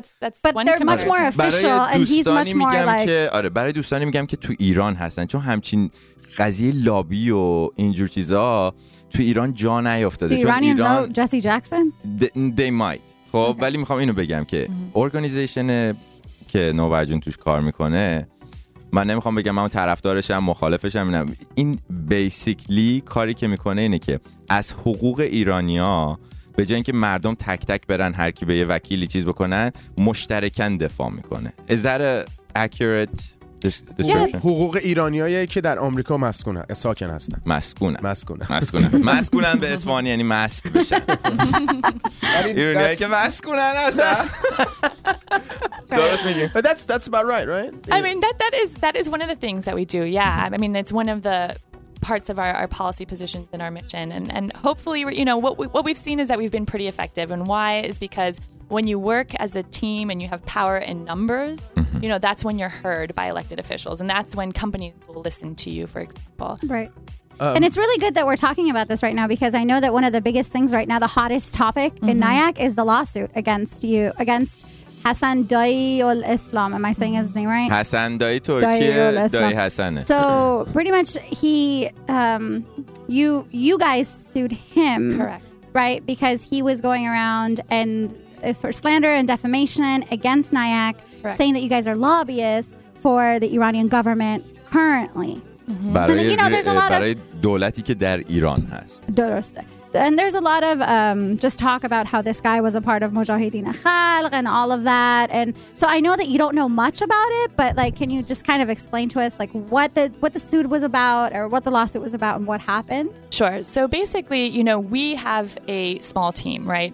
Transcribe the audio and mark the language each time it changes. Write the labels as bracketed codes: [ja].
[en] that's much more official and he's much more [fa] میگم [en] like... [fa] که آره برای دوستانی میگم که تو ایران هستن چون همچین قضیه لابی و اینجور چیزا تو ایران جا نیافتاده تو ایران جسی جکسون [en] they might [fa] خب [en] okay. [fa] ولی میخوام اینو بگم که ارگانیزیشن که نوبرجون توش کار میکنه من نمیخوام بگم من طرفدارشم مخالفشم اینم این بیسیکلی کاری که میکنه اینه که از حقوق ایرانی ها به جای اینکه مردم تک تک برن هر کی به یه وکیلی چیز بکنن مشترکاً دفاع میکنه [en] Is that accurate description? Yeah. [fa] حقوق ایرانیایی که در آمریکا مسکونن ساکن هستن مسکونن به اسپانی یعنی مست بشن ایرانیایی که مسکونن هستن [en] But that's about right, right? Yeah. I mean that is one of the things that we do. Yeah, I mean it's one of the parts of our policy positions and our mission, and hopefully you know what we've seen is that we've been pretty effective. And why is because when you work as a team and you have power in numbers, you know that's when you're heard by elected officials, and that's when companies will listen to you. For example, right. And it's really good that we're talking about this right now because I know that one of the biggest things right now, the hottest topic in NIAC, is the lawsuit against Hassan Dayı ol Islam. Am I saying his name right? Hassan Dayı Türkiye, Dayı Hassan. So pretty much he, you guys sued him. Correct. Right? Because he was going around and for slander and defamation against NIAC. Correct. Saying that you guys are lobbyists for the Iranian government currently. [fa] برای, [en] you know, there's a lot [fa] برای دولتی که در ایران هست. درسته. [en] And there's a lot of just talk about how this guy was a part of Mujahideen Khalq and all of that. And so I know that you don't know much about it, but like, can you just kind of explain to us like what the suit was about or what the lawsuit was about and what happened? Sure. So basically, you know, we have a small team, right?